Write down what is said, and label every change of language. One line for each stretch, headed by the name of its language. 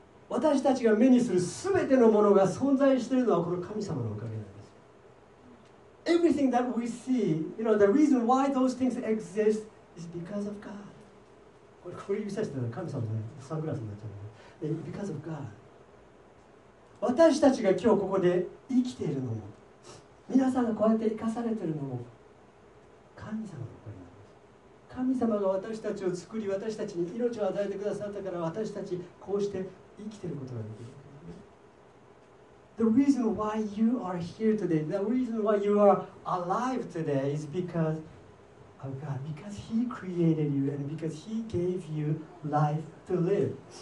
Japanese: 私たちが目にする全てのものが存在しているのはこの神様のおかげなんです。
English: Everything that we see, you know, the reason why those things exist is because of God.
Japanese: これ振り返したら神様じゃない、サングラスになっちゃうね。
English: Because of God.
Japanese: 私たちが今日ここで生きているのも、皆さんがこうやって生かされているのも、神様のおかげ。神様が私たちを作り、私たちに命を与えてくださったから、私たちこうして生きていることができる。
English: The reason why you are here today, the reason why you are alive today is because of God, because He created you and because He gave you life to live.